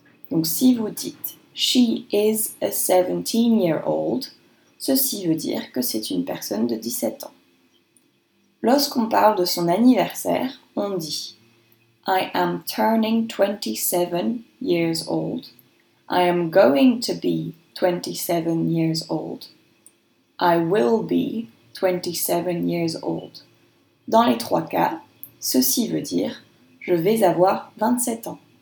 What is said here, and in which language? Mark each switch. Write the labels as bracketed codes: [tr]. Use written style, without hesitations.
[fr] Donc si vous dites [en] She is a 17 year old, [fr] ceci veut dire que c'est une personne de 17 ans. Lorsqu'on parle de son anniversaire, on dit [en] I am turning 27 years old. I am going to be 27 years old. I will be 27 years old. [fr] Dans les trois cas, ceci veut dire je vais avoir 27 ans.